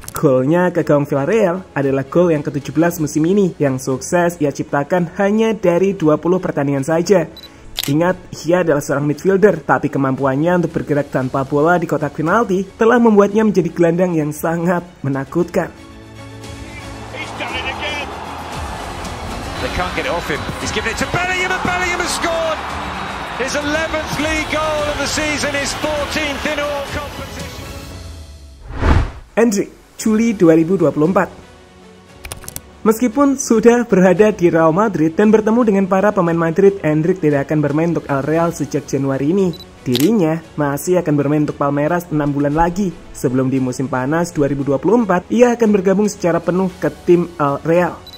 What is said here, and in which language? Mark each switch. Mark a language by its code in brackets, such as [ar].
[id] Golnya ke gawang Villarreal adalah gol yang ke-17 musim ini yang sukses ia ciptakan hanya dari 20 pertandingan saja. Ingat, ia adalah seorang midfielder, tapi kemampuannya untuk bergerak tanpa bola di kotak penalti telah membuatnya menjadi gelandang yang sangat menakutkan. [en] He's done it again. They can't get it off him. He's given it to Bellingham, and Bellingham has scored. His 11th league goal of the season, his 14th in all competitions. [id] Hendrik, Juli 2024. Meskipun sudah berada di Real Madrid dan bertemu dengan para pemain Madrid, Hendrik tidak akan bermain untuk El Real sejak Januari ini. Dirinya masih akan bermain untuk Palmeiras 6 bulan lagi. Sebelum di musim panas 2024, ia akan bergabung secara penuh ke tim El Real.